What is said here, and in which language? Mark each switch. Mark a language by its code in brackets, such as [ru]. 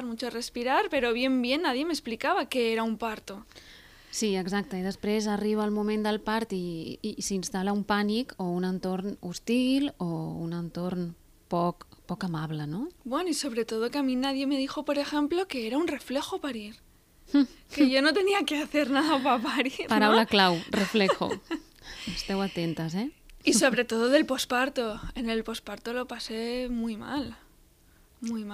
[es] Respirar, pero bien, bien, nadie me explicaba qué era un parto. [ca] Sí, exacte. I després arriba el moment del part i s'instal·la un pànic o un entorn hostil o un entorn poc amable, no? [es] Bueno, y sobre todo que a mí nadie me dijo, por ejemplo, que era un reflejo parir. Que yo no tenía que hacer nada para parir, ¿no? [ca] Paraula clau, reflejo. Esteu atentes, eh? [es] Y sobre todo del posparto. En el posparto lo pasé muy mal. Muy mal.